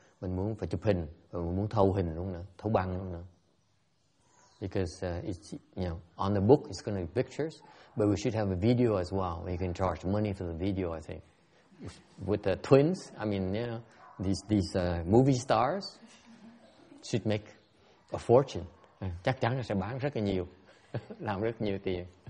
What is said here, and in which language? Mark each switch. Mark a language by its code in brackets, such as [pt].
[vi] Mình muốn phải chụp hình, mình muốn thâu hình luôn nữa, thâu băng luôn nữa. [en] Because it's, you know, on the book it's going to be pictures, but we should have a video as well. We can charge money for the video, I think. With the twins, I mean, you know, these movie stars should make a fortune. [vi] Chắc chắn là sẽ bán rất là nhiều, làm rất nhiều tiền.